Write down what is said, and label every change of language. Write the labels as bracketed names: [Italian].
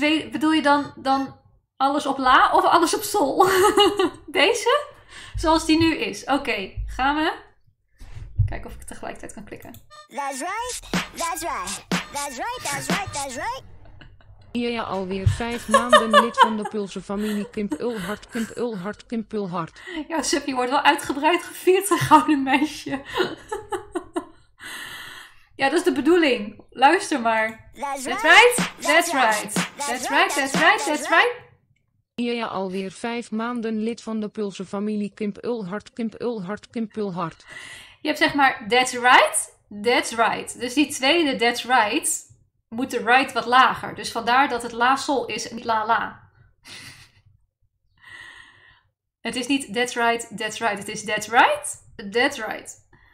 [Dutch] bedoel je dan alles op la of alles op sol? Deze? Zoals die nu is. Oké, gaan we. Kijken of ik tegelijkertijd kan klikken. [English] That's right, that's right. That's right, that's right, that's right. [Dutch] Ja, ja, alweer 5 maanden lid van de Pulse familie. Kimp Ulhart, Kimp Ulhart, Kimp Ulhart. Ja, Sup, je wordt wel uitgebreid gevierd, gouden meisje. Ja, dat is de bedoeling. Luister maar. [English] That's right, that's right. That's right, that's right, that's right. [Dutch] Ja, ja, alweer 5 maanden lid van de Pulse familie. Kimp Ulhart, Kimp Ulhart, Kimp Ulhart. Je hebt zeg maar, [English] that's right... That's right. [Dutch] Dus die tweede, [English] that's right. [Dutch] moet de right wat lager. Dus vandaar dat het la sol is en niet la la. Het is niet [English] that's right, that's right. [Dutch] Het is [English] that's right, that's right.